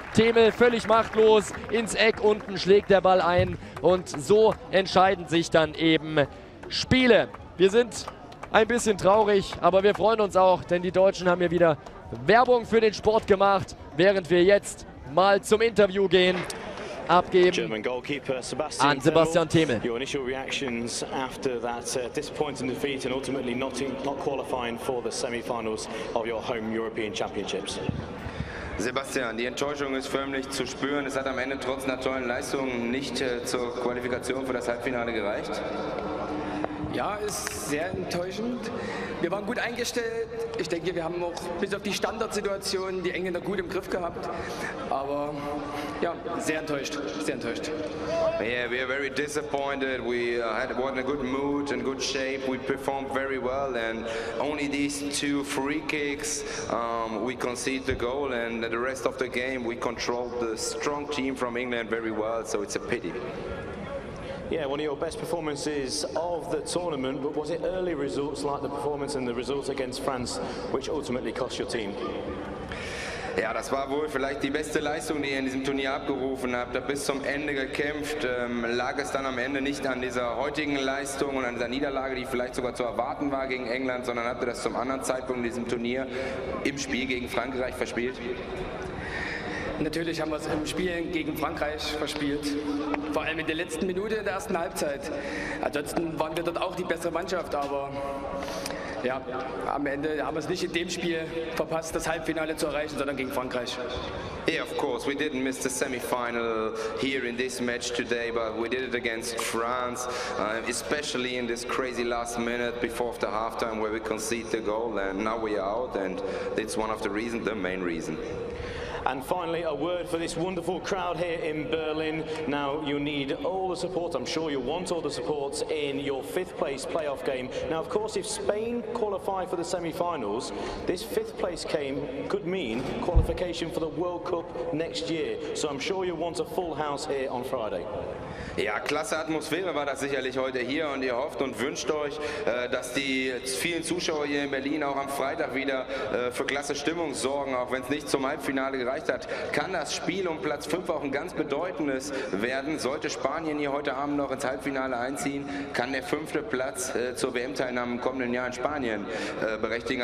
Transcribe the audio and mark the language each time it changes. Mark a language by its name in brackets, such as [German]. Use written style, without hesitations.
[German] Temel völlig machtlos ins Eck, unten schlägt der Ball ein. Und so entscheiden sich dann eben Spiele. Wir sind ein bisschen traurig, aber wir freuen uns auch, denn die Deutschen haben hier wieder Werbung für den Sport gemacht, während wir jetzt mal zum Interview gehen. Abgeben an Sebastian Temel. [English] Your initial reactions after that disappointing defeat and ultimately not qualifying for the semifinals of your home European Championships. [German] Sebastian, die Enttäuschung ist förmlich zu spüren. Es hat am Ende trotz einer tollen Leistung nicht zur Qualifikation für das Halbfinale gereicht. Ja, ist sehr enttäuschend. Wir waren gut eingestellt. Ich denke, wir haben auch bis auf die Standardsituation die Engländer gut im Griff gehabt. Aber ja, sehr enttäuscht, sehr enttäuscht. [English] Yeah, we are very disappointed. We had a good mood and good shape. We performed very well and only these 2 free kicks we conceded the goal and the rest of the game we controlled the strong team from England very well. So it's a pity. Yeah, one of your best performances of the tournament, but was it early results like the performance and the results against France, which ultimately cost your team? [German] Ja, das war wohl vielleicht die beste Leistung, die ihr in diesem Turnier abgerufen habt. Da bis zum Ende gekämpft, lag es dann am Ende nicht an dieser heutigen Leistung und an dieser Niederlage, die vielleicht sogar zu erwarten war gegen England, sondern habt ihr das zum anderen Zeitpunkt in diesem Turnier im Spiel gegen Frankreich verspielt? Natürlich haben wir es im Spiel gegen Frankreich verspielt, vor allem in der letzten Minute in der ersten Halbzeit. Ansonsten waren wir dort auch die bessere Mannschaft, aber ja, am Ende haben wir es nicht in dem Spiel verpasst, das Halbfinale zu erreichen, sondern gegen Frankreich. [English] Yeah, of course, we didn't miss the semi-final here in this match today, but we did it against France, especially in this crazy last minute before the halftime where we conceded the goal and now we are out and it's one of the reasons, the main reason. And finally, a word for this wonderful crowd here in Berlin. Now, you need all the support. I'm sure you want all the support in your 5th place playoff game. Now, of course, if Spain qualify for the semi-finals, this 5th place game could mean qualification for the World Cup next year. So I'm sure you want a full house here on Friday. [German] Ja, klasse Atmosphäre war das sicherlich heute hier und ihr hofft und wünscht euch, dass die vielen Zuschauer hier in Berlin auch am Freitag wieder für klasse Stimmung sorgen, auch wenn es nicht zum Halbfinale gereicht hat. Kann das Spiel um Platz 5 auch ein ganz bedeutendes werden? Sollte Spanien hier heute Abend noch ins Halbfinale einziehen, kann der 5. Platz zur WM-Teilnahme im kommenden Jahr in Spanien berechtigen.